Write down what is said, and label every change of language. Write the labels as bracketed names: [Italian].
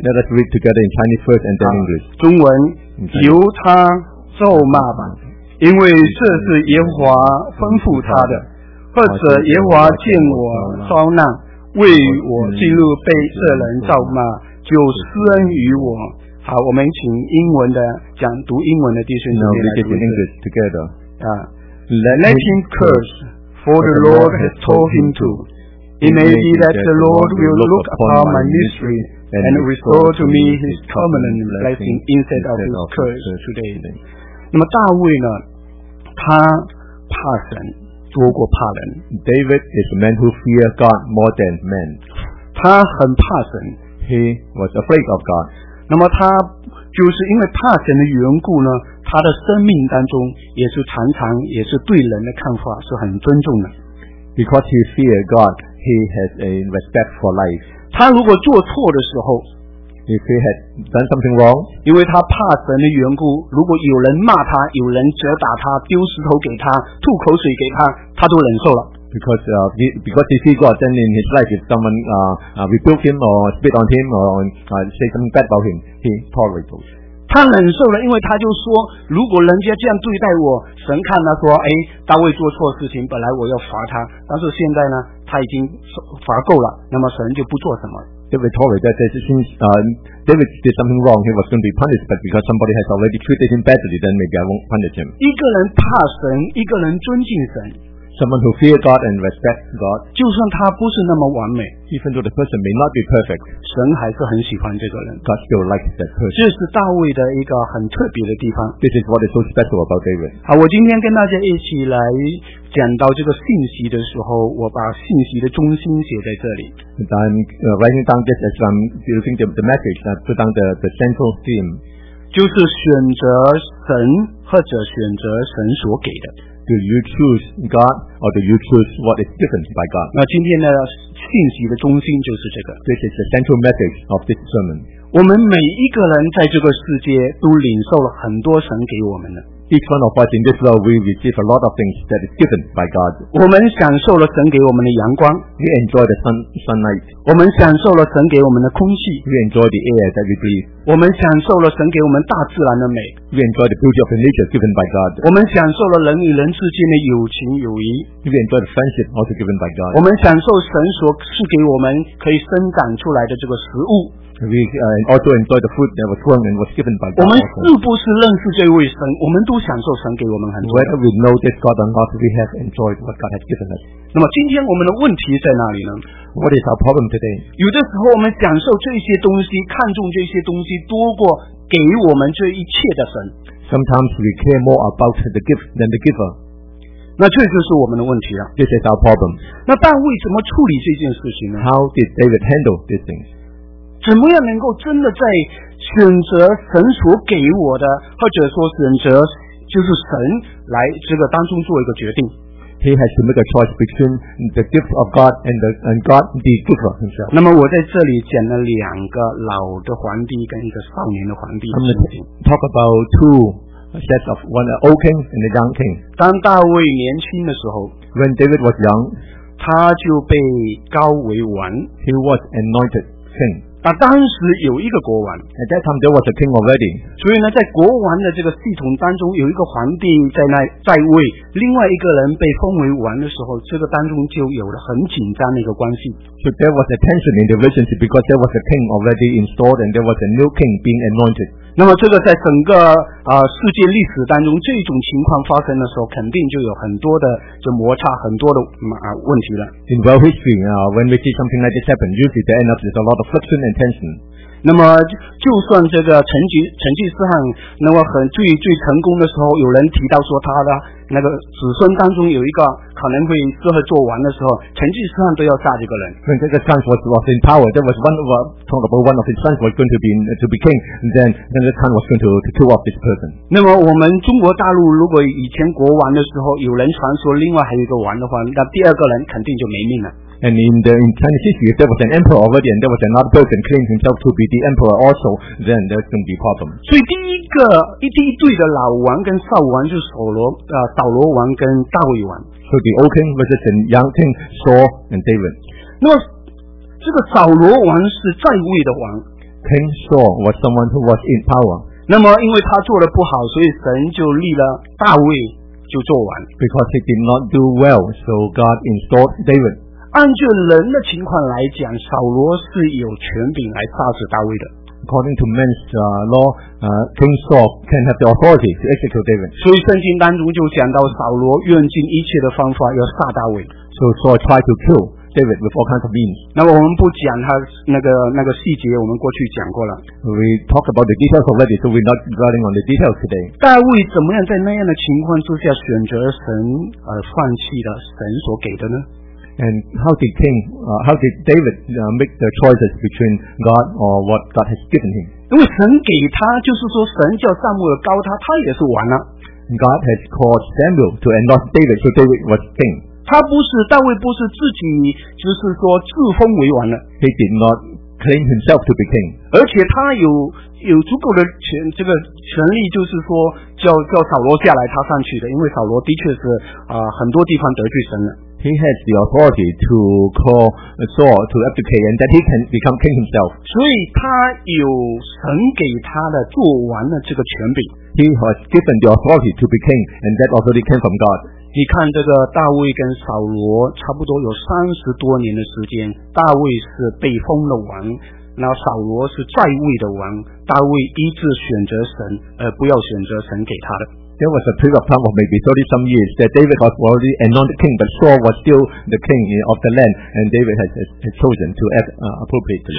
[English] Let us read together in Chinese first and then English. [Chinese] 中文，由他咒骂吧，因为这是耶和华吩咐他的。或者耶和华见我遭难，为我记录被这人咒骂，就施恩于我。好，我们请英文的讲读英文的弟兄姐妹来读。 [English] No, English together. Let him curse, for the Lord has told him to. It may be that the Lord will look upon my misery and restore to me his covenant blessing instead of his curse today. [Chinese] 那么大卫呢？他怕神。多过怕人。 [English] David is a man who feared God more than men. [Chinese] 他很怕神。 [English] He was afraid of God. [Chinese] 那么他就是因为怕神的缘故呢，他的生命当中也是常常也是对人的看法是很尊重的。 [English] Because he feared God, he has a respect for life. [Chinese] 他如果做错的时候 [English] ，If he had done something wrong, [Chinese] 因为他怕神的缘故，如果有人骂他，有人责打他，丢石头给他，吐口水给他，他都忍受了。 [English] Because he see God, then in his life, if someone rebuke him or spit on him or say something bad about him, he tolerates. [Chinese] 他忍受了，因为他就说，如果人家这样对待我，神看他说，哎，大卫做错事情，本来我要罚他，但是现在呢，他已经罚够了，那么神就不做什么。 [English] David tolerated that since David did something wrong, he was going to be punished. But because somebody has already treated him badly, then maybe I won't punish him. [Chinese] 一个人怕神，一个人尊敬神。 [English] Someone who fears God and respects God, [Chinese] 就算他不是那么完美 [English] even though the person may not be perfect, [Chinese] 神还是很喜欢这个人。 [English] God still likes that person. [Chinese] 这是大卫的一个很特别的地方。 [English] This is what is so special about David. [Chinese] 好，我今天跟大家一起来讲到这个信息的时候，我把信息的中心写在这里。 [English] I'm writing down this as I'm using the message, I put down the central theme. [Chinese] 就是选择神或者选择神所给的。 [English] Do you choose God or do you choose what is given by God? [Chinese] 那今天的信息的中心就是这个。 [English] This is the central message of this sermon. [Chinese] 我们每一个人在这个世界都领受了很多神给我们的。 [English] Each one of us in this world, we receive a lot of things that is given by God. [Chinese] 我们享受了神给我们的阳光。 [English] We enjoy the sunlight. [Chinese] 我们享受了神给我们的空气。 [English] We enjoy the air that we breathe. [Chinese] 我们享受了神给我们大自然的美。 [English] We enjoy the beauty of the nature given by God. [Chinese] 我们享受了人与人之间的友情友谊。 [English] We enjoy the friendship also given by God. [Chinese] 我们享受神所赐给我们可以生长出来的这个食物。 [English] We also enjoy the food that was grown and was given by God. [Chinese] 我们是不是认识这位神？我们都享受神给我们很多。 [English] Whether we know this God or not, we have enjoyed what God has given us. [Chinese] 那么今天我们的问题在哪里呢？ [English] What is our problem today? [Chinese] 有的时候我们享受这些东西，看重这些东西，多过给我们这一切的神。 [English] Sometimes we care more about the gift than the giver. [Chinese] 那这就是我们的问题啊。 [English] This is our problem. [Chinese] 那大卫怎么处理这件事情呢？ [English] How did David handle these things? [Chinese] 怎么样能够真的在选择神所给我的，或者说选择就是神来这个当中做一个决定 [English] ？He has to make a choice between the gift of God and God the giver himself. [Chinese] 那么我在这里讲了两个老的皇帝跟一个少年的皇帝。 [English] I'm going to talk about two sets of one old king and a young king. [Chinese] 当大卫年轻的时候 [English] ，When David was young, [Chinese] 他就被高为王。 [English] He was anointed king. [Chinese] 那当时有一个国王 [English] ，At that time there was a king already。 [Chinese] 所以呢，在国王的这个系统当中，有一个皇帝在位，另外一个人被封为王的时候，这个当中就有了很紧张的一个关系。 [English] So there was a tension in the relationship because there was a king already installed and there was a new king being anointed。 [Chinese] 那么这个在整个世界历史当中，这种情况发生的时候，肯定就有很多的就摩擦，很多的问题了。 [English] In world history, when we see something like this happen, usually there ends up with a lot of friction and tension. [Chinese] 那么就算这个成吉思汗那么很最成功的时候，有人提到说他的那个子孙当中有一个可能会适合做王的时候，成吉思汗都要杀这个人。 [English] When the son was in power, there was one of talk about one of his sons was going to be king, then the son was going to kill off this person. [Chinese] 那么我们中国大陆如果以前国王的时候有人传说另外还有一个王的话，那第二个人肯定就没命了。 [English] And in Chinese history, if there was an emperor already and there was another person claimed himself to be the emperor also, then there's going to be a problem. [Chinese] 所以第一对的老王跟少王就是扫罗王跟大卫王。 [English] So the old king versus the young king, Saul and David. [Chinese] 那么这个扫罗王是在位的王。 [English] King Saul was someone who was in power. [Chinese] 那么因为他做的不好，所以神就立了大卫就做王。 [English] Because he did not do well, so God installed David. [Chinese] 按照人的情况来讲，扫罗是有权柄来杀死大卫的。 [English] According to men's law, King Saul can have the authority to execute David. [Chinese] 所以圣经当中就讲到扫罗用尽一切的方法要杀大卫。 [English] So Saul tried to kill David with all kinds of means. [Chinese] 那么我们不讲他那个细节，我们过去讲过了。 [English] We talked about the details already, so we're not dwelling on the details today. [Chinese] 大卫怎么样在那样的情况之下选择神而放弃了神所给的呢？ [English] And how did David make the choices between God or what God has given him? [Chinese] 因为神给他，就是说神叫撒母耳高他，他也是王了。 [English] God has called Samuel to anoint David, so David was king. [Chinese] 他不是大卫，不是自己，就是说自封为王了。 [English] He did not claim himself to be king. [Chinese] 而且他有足够的权，这个权力就是说叫扫罗下来，他上去的，因为扫罗的确是很多地方得罪神了。 [English] He has the authority to call Saul to abdicate and that he can become king himself. [Chinese] 所以他有神给他的做王的这个权柄。 [English] He has given the authority to be king and that authority came from God. [Chinese] 你看这个大卫跟扫罗差不多有30多年的时间，大卫是被封的王，那扫罗是在位的王，大卫一直选择神，不要选择神给他的。 [English] There was a period of time of maybe 30 some years that David was already anointed king, but Saul was still the king of the land, and David had chosen to act appropriately.